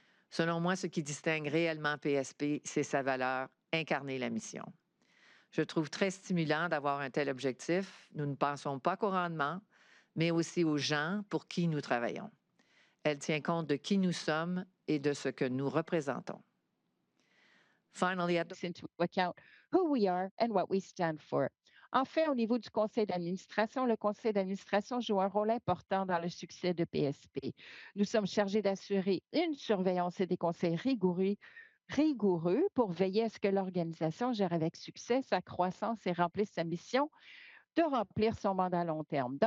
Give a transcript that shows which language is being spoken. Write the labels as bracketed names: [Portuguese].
[French] Selon moi, ce qui distingue réellement PSP, c'est sa valeur, incarner la mission. Je trouve très stimulant d'avoir un tel objectif. Nous ne pensons pas qu'au rendement, mais aussi aux gens pour qui nous travaillons. Elle tient compte de qui nous sommes et de ce que nous représentons. [English] Finally, it takes into account who we are and what we stand for. [French] Enfin, au niveau du conseil d'administration, le conseil d'administration joue un rôle important dans le succès de PSP. Nous sommes chargés d'assurer une surveillance et des conseils rigoureux pour veiller à ce que l'organisation gère avec succès sa croissance et remplisse sa mission de remplir son mandat à long terme.